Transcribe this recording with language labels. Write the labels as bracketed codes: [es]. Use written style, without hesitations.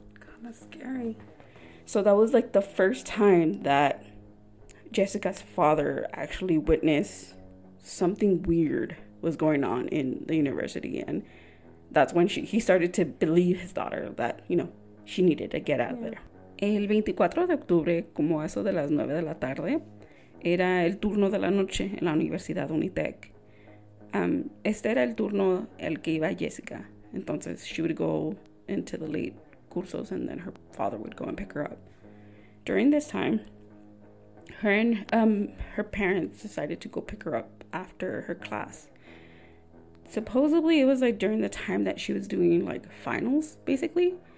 [en] God, that's scary. So that was like the first time that Jessica's father actually witnessed something weird was going on in the university, and that's when he started to believe his daughter that, you know, she needed to get out of there. [es] El 24 de octubre, como eso de las 9 de la tarde, era el turno de la noche en la Universidad UNITEC. Este era el turno el que iba Jessica. [en] Entonces, she would go into the late cursos, and then her father would go and pick her up. During this time, her and her parents decided to go pick her up after her class. Supposedly it was like during the time that she was doing like finals, basically.